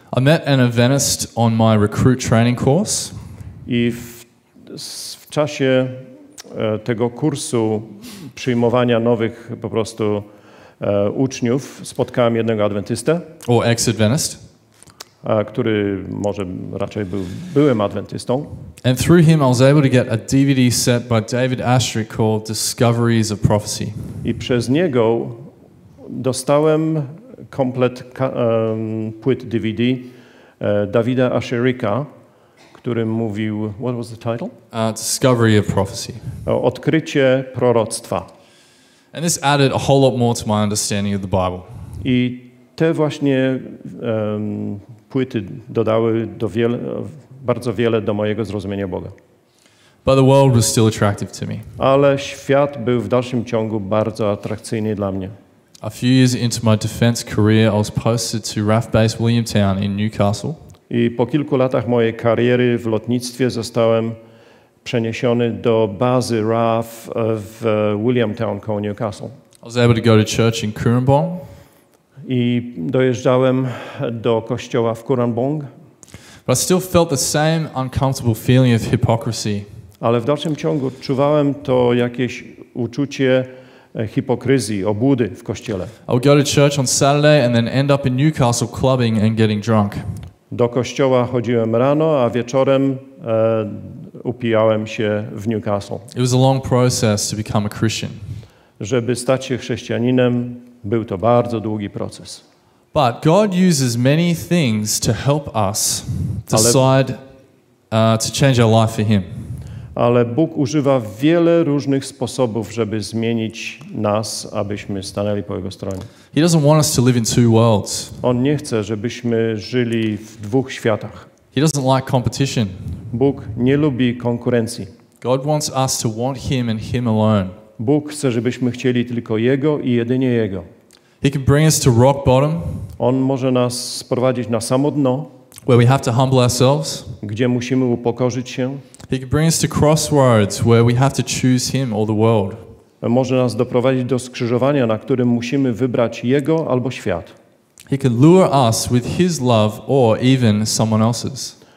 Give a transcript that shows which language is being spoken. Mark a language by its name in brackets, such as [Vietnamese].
[English] I met an Adventist on my recruit training course. [Polish] I w czasie tego kursu przyjmowania nowych po prostu uczniów spotkałem jednego Adwentystę. [English] Or ex-Adventist. [Polish] Który może raczej był byłym Adwentystą. [English] And through him I was able to get a DVD set by David Astrick called Discoveries of Prophecy. [Polish] I przez niego dostałem komplet płyt DVD Davida Asherika, który mówił, [English] what was the title? Discovery of Prophecy. [Polish] Odkrycie proroctwa. [English] And this added a whole lot more to my understanding of the Bible. [Polish] I te właśnie płyty dodały do bardzo wiele do mojego zrozumienia Boga. [English] But the world was still attractive to me. [Polish] Ale świat był w dalszym ciągu bardzo atrakcyjny dla mnie. [English] A few years into my defense career, I was posted to RAF base Williamtown in Newcastle. [Polish] I po kilku latach mojej kariery w lotnictwie zostałem przeniesiony do bazy RAF w Williamtown koło Newcastle. [English] I was able to go to church in Currumbong. [Polish] I dojeżdżałem do kościoła w Currumbong. [English] But I still felt the same uncomfortable feeling of hypocrisy. [Polish] Ale w dalszym ciągu czuwałem to jakieś uczucie hipokryzji, obłudy w kościele. [English] I would go to church on Saturday and then end up in Newcastle clubbing and getting drunk. [Polish] Do kościoła chodziłem rano, a wieczorem upijałem się w Newcastle. [English] It was a long process to become a Christian. [Polish] Żeby stać się chrześcijaninem, był to bardzo długi proces. [English] But God uses many things to help us decide to change our life for Him. [Polish] Ale Bóg używa wiele różnych sposobów, żeby zmienić nas, abyśmy stanęli po Jego stronie. [English] He doesn't want us to live in two worlds. [Polish] On nie chce, żebyśmy żyli w dwóch światach. [English] He doesn't like competition. [Polish] Bóg nie lubi konkurencji. [English] God wants us to want Him and Him alone. [Polish] Bóg chce, żebyśmy chcieli tylko Jego i jedynie Jego. [English] He can bring us to rock bottom. [Polish] On może nas sprowadzić na samo dno. [English] Where we have to humble ourselves. [Polish] Gdzie musimy upokorzyć się. [English] He can bring us to crossroads where we have to choose Him or the world. [Polish] Może nas doprowadzić do skrzyżowania, na którym musimy wybrać Jego albo świat. [English] He can lure us with His love or even someone else's.